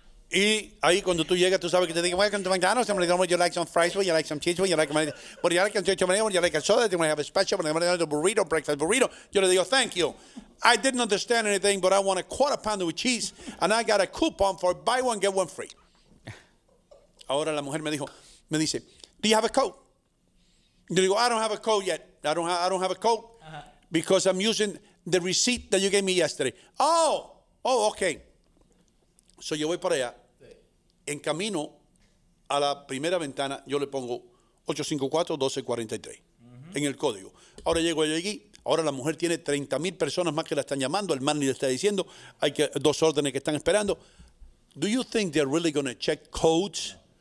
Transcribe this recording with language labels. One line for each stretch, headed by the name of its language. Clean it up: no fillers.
Spanish: Y ahí cuando tú llegas, tú sabes que te digo,
English: welcome to McDonald's. I'm going to tell you, you like some fries, would you like some cheese, would you like some... Would you like some chicho manejo, would you like a soda, would you have a special, would you like a burrito, breakfast burrito.
Spanish: Yo le digo,
English: thank you. I didn't understand anything, but I want a quarter pounder with cheese, and I got a coupon for buy one, get one free.
Spanish: Ahora la mujer me dice,
English: do you have a coat?
Spanish: Yo digo,
English: I don't have a coat yet. I don't have a coat because I'm using... the receipt that you gave me yesterday. Oh, okay.
Spanish: So yo voy para allá. En camino a la primera ventana, yo le pongo 854-1243 en el código. Ahora llego allí. Ahora la mujer tiene 30,000 personas más que la están llamando. El man le está diciendo, hay que dos órdenes que están esperando.
English: Do you think they're really going to check codes?